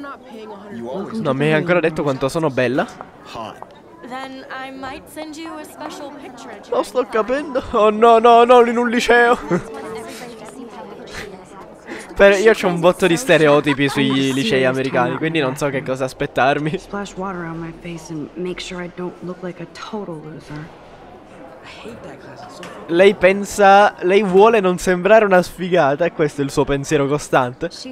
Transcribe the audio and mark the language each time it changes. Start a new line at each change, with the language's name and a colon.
Italian: Non mi hai ancora detto quanto sono bella? Non sto capendo. Oh no, no, no, in un liceo. Per, io c'ho un botto di stereotipi sui licei americani, quindi non so che cosa aspettarmi.
English: Splash water on my face and make sure I don't look like a total loser.
Italian: Lei pensa, lei vuole non sembrare una sfigata, e questo è il suo pensiero costante.